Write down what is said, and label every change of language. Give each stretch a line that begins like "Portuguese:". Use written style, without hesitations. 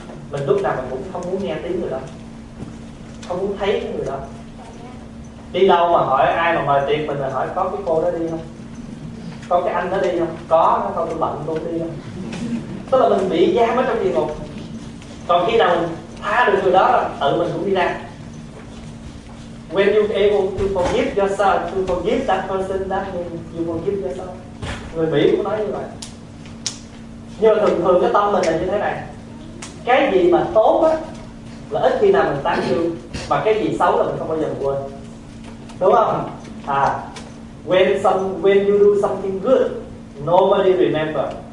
Vietnamese: Mình lúc nào mình cũng không muốn nghe tiếng người đó, không muốn thấy cái người đó. Đi đâu mà hỏi ai mà mời tiệc mình là hỏi có cái cô đó đi không? Có cái anh đó đi không? Có, nó không tôi bận tôi đi không? Tức là mình bị giam ở trong địa ngục. Còn khi nào mình tha được người đó là tự mình cũng đi ra.
English: When you're able to forgive yourself, to forgive that person, that means you forgive yourself.
Vietnamese: Người Mỹ cũng nói như vậy. Nhưng mà thường thường cái tâm mình là như thế này. Cái gì mà tốt á là ít khi nào mình tán dương, mà cái gì xấu là mình không bao giờ quên. Đúng không?
English: À, when you do something good, nobody remember.